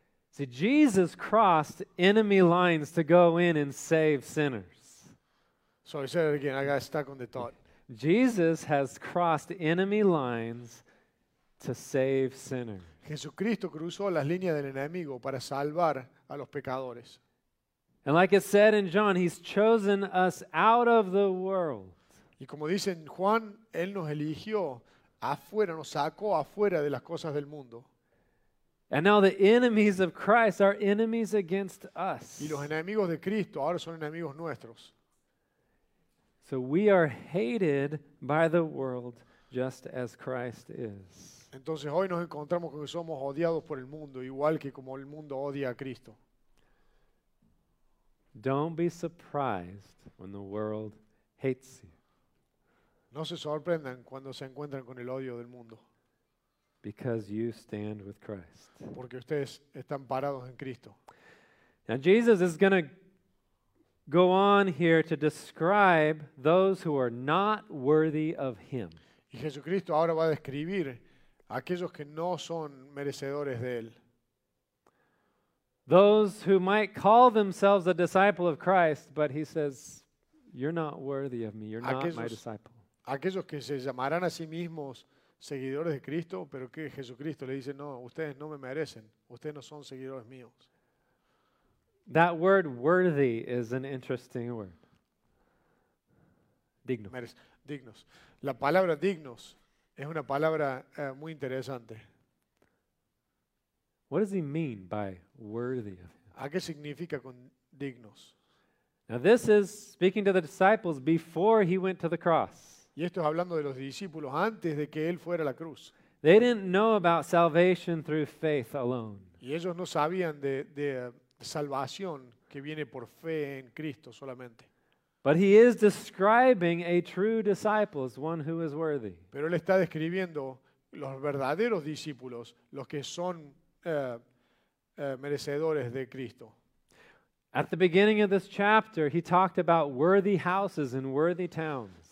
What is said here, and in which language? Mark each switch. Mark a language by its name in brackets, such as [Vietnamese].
[English] See, Jesus crossed enemy lines to go in and save sinners. Sorry, say it again. I got stuck on the thought. Jesus has crossed enemy lines to save sinners. [Spanish] Jesucristo cruzó las líneas del enemigo para salvar a los pecadores. [English] And like it said in John, he's chosen us out of the world. [Spanish] Y como dice en Juan, él nos eligió afuera, nos sacó afuera de las cosas del mundo. [English] And now the enemies of Christ are enemies against us. [Spanish] Y los enemigos de Cristo ahora son enemigos nuestros. [English] So we are hated by the world just as Christ is. [Spanish] Entonces hoy nos encontramos con que somos odiados por el mundo, igual que como el mundo odia a Cristo. [English] Don't be surprised when the world hates you. [Spanish] No se sorprendan cuando se encuentran con el odio del mundo. [English] Because you stand with Christ. [Spanish] Porque ustedes están parados en Cristo. [English] Now Jesus is going to go on here to describe those who are not worthy of him. [Spanish] Y Jesucristo ahora va a describir a aquellos que no son merecedores de él. [English] Those who might call themselves a disciple of Christ, but he says, you're not worthy of me, you're [Spanish] aquellos, [English] not my disciple. [Spanish] Aquellos que se llamarán a sí mismos seguidores de Cristo, pero que Jesucristo le dice, no, ustedes no me merecen, ustedes no son seguidores míos. [English] That word worthy is an interesting word. [Spanish] Digno. Dignos. La palabra dignos es una palabra muy interesante. [English] What does he mean by worthy of him? [Spanish] ¿A qué significa con dignos? [English] Now this is speaking to the disciples before he went to the cross. [Spanish] Y esto es hablando de los discípulos antes de que él fuera a la cruz. [English] They didn't know about salvation through faith alone. [Spanish] Y ellos no sabían de salvación que viene por fe en Cristo solamente. [English] But he is describing a true disciple, one who is worthy. [Spanish] Pero él está describiendo los verdaderos discípulos, los que son merecedores de Cristo. [English] At the beginning of this chapter, he talked about worthy houses and worthy towns.